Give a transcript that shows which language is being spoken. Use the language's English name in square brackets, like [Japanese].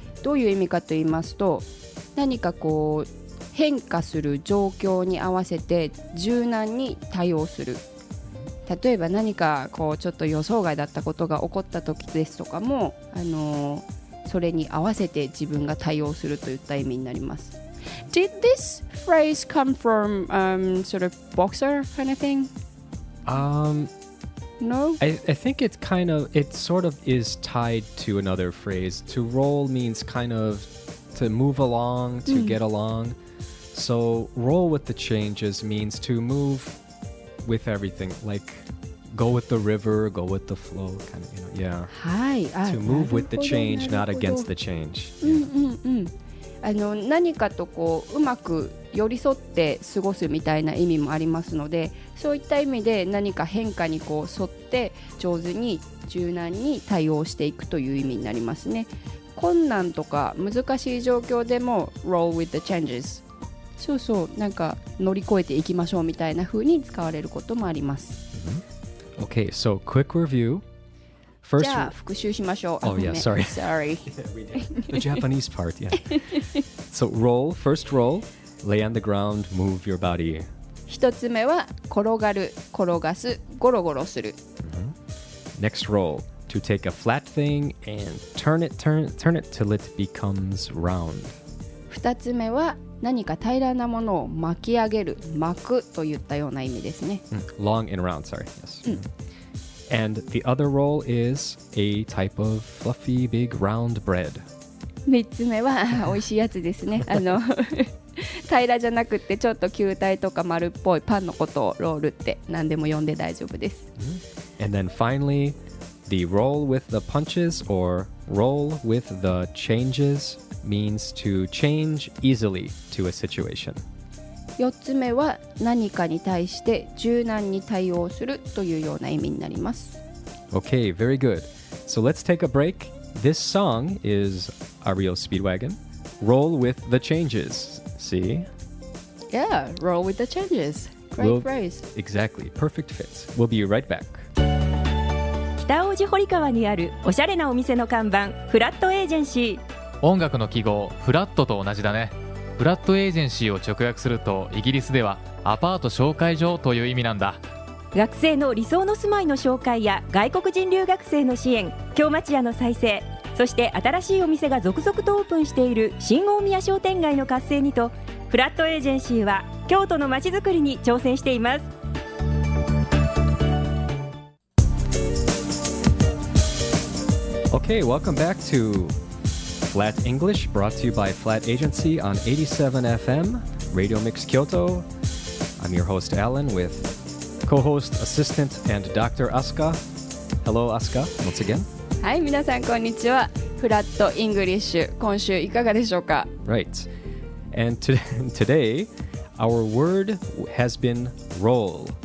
[Japanese] どういう意味かと言いますと、何かこう変化する状況に合わせて柔軟に対応する。例えば何かこうちょっと予想外だったことが起こった時ですとかも、それに合わせて自分が対応するといった意味になります。 [English] Did this phrase come from sort of boxer kind of thing? No. I think it kind of it sort of is tied to another phrase. To roll means kind of to move along, to、mm. get along. So roll with the changes means to move with everything, like. Go with the river, go with the flow, kind of, you know, yeah. [Japanese] はい、 [English] あ、to move with the change, not against the change. [Japanese] うんうんうん。何かとこううまく寄り添って過ごすみたいな意味もありますので、そういった意味で何か変化にこう沿って上手に柔軟に対応していくという意味になりますね。困難とか難しい状況でも [English] roll with the changes。 [Japanese] そうそう、なんか乗り越えていきましょうみたいな風に使われることもあります。 [English] Okay, so quick review. [Japanese] First, じゃあ復習しましょう。 [English] Oh, yeah, sorry. Sorry. The Japanese part, yeah. So roll, first roll, lay on the ground, move your body. [Japanese] 一つ目は転がる、転がす、ゴロゴロする。 [English] Next roll, to take a flat thing and turn it till it becomes round. [Japanese] 二つ目は何か平らなものを巻き上げる、巻くといったような意味ですね。 [English] Long and round, sorry. Yes.、うん、and the other roll is a type of fluffy big round bread. [Japanese] 三つ目は美味しいやつですね。平らじゃなくてちょっと球体とか丸っぽいパンのことをロールって何でも呼んで大丈夫です。 [English] And then finally, the roll with the punches or roll with the changes means to change easily to a situation. [Japanese] 四つ目は何かに対して柔軟に対応するというような意味になります。 [English] Okay, very good. So let's take a break. This song is a real speedwagon. Roll with the changes. See? Yeah, roll with the changes. Great phrase. Exactly. Perfect fits. We'll be right back. [Japanese] 北王子堀川にあるおしゃれなお店の看板、フラットエージェンシー。音楽の記号、フラットと同じだね。フラットエージェンシーを直訳すると、イギリスではアパート紹介所という意味なんだ。学生の理想の住まいの紹介や外国人留学生の支援、京町屋の再生、そして新しいお店が続々とオープンしている新大宮商店街の活性にと、フラットエージェンシーは京都の街づくりに挑戦しています。 [English] Okay, welcome back to Flat English, brought to you by Flat Agency on 87FM Radio Mix Kyoto. I'm your host Alan with co-host, assistant and Dr. Asuka. Hello Asuka, once again [Japanese] はい、皆さんこんにちは。フラットイングリッシュ、今週いかがでしょうか。 [English] Right. And today, our word has been roll.